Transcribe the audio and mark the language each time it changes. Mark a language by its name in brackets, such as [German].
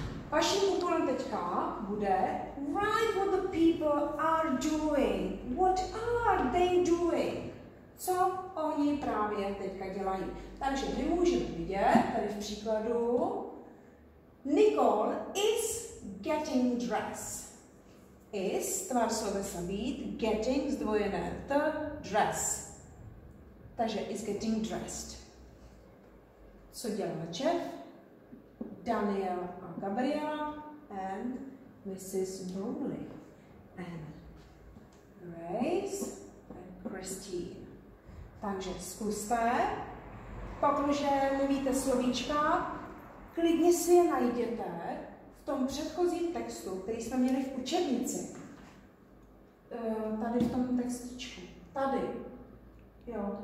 [Czech] Vaším úkolem teďka bude [English] write what the people are doing. What are they doing? [Czech] Co oni právě teďka dělají? Takže my můžeme vidět tady v příkladu. [English] Nicole is getting dressed. [Czech] Is, tvar slovesa být, getting, zdvojené, [English] the dress. [Czech] Takže is getting dressed. Co dělá Jeff? [English] Daniel a Gabriela and Mrs. Bromley and Grace and Christine. [Czech] Takže zkuste, pokud nevíte slovíčka, klidně si je najděte v tom předchozím textu, který jsme měli v učebnici. Tady v tom textičku. Tady. Jo.